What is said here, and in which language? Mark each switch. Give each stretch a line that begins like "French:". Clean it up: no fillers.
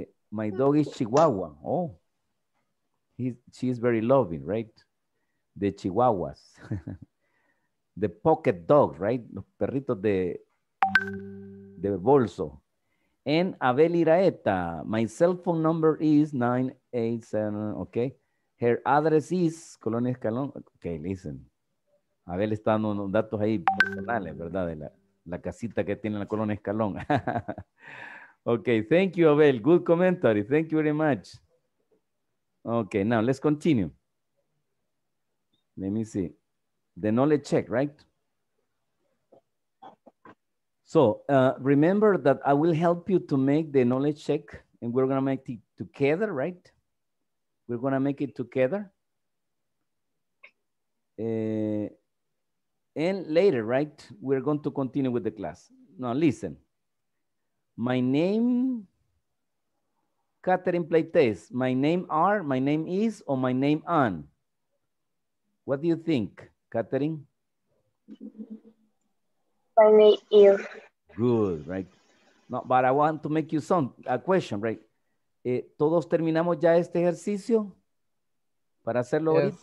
English: My dog is Chihuahua. Oh, she is very loving, right? The Chihuahuas. The pocket dog, right?
Spanish: Los perritos de bolso.
English: And Abel Iraeta, my cell phone number is 987, okay? Her address is Colonia Escalón. Okay, listen.
Spanish: Abel está dando unos datos ahí personales, ¿verdad? De la casita que tiene la Colonia Escalón.
English: Okay, thank you, Abel. Good commentary. Thank you very much. Okay, now let's continue. Let me see. The knowledge check, right? So, remember that I will help you to make the knowledge check and we're going to make it together, right? We're gonna make it together. And later, right? We're going to continue with the class. Now listen, my name, Catherine Playtez, my name are, my name is, or my name on? What do you think, Catherine? My name is. Good, right? No, but I want to make you a question, right?
Spanish: ¿Todos terminamos ya este ejercicio para hacerlo yes.